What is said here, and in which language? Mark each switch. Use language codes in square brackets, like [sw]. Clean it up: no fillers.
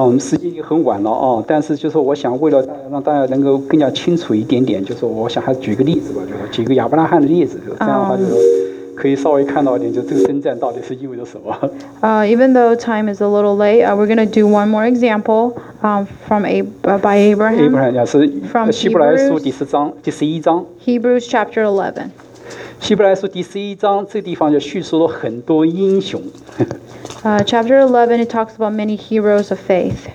[zh] 时间已经很晚了啊，但是就是我想为了让大家能够更加清楚一点点，就是我想还是举个例子吧，就是举个亚伯拉罕的例子，就这样的话就是可以稍微看到一点，就这个征战到底是意味着什么。 [en] Even though time is a little late, we're going to do one more example, by Abraham. Abraham, yeah, [zh] 是 [en] from [zh] 希伯来书第十章第十一章。 [en] Hebrews chapter 11. [zh] 希伯来书第十一章这个地方就叙述了很多英雄。 [en] Chapter 11, it talks about many heroes of faith.